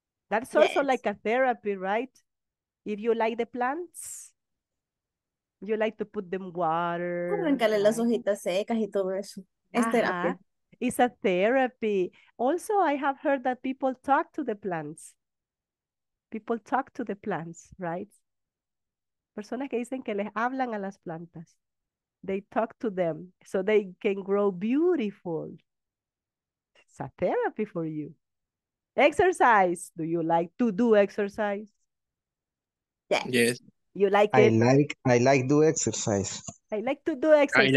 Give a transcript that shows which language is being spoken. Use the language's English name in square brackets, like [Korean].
[English] That's also like a therapy, right? If you like the plants, you like to put them water. [Spanish] Arrancarle las hojitas secas y todo eso. Es terapia. [English] It's a therapy. Also, I have heard that people talk to the plants. People talk to the plants, right? [Spanish] Personas que dicen que les hablan a las plantas. [English] They talk to them so they can grow beautiful. It's a therapy for you. Exercise. Do you like to do exercise? Yes. You like it? I like do exercise. I like to do exercise.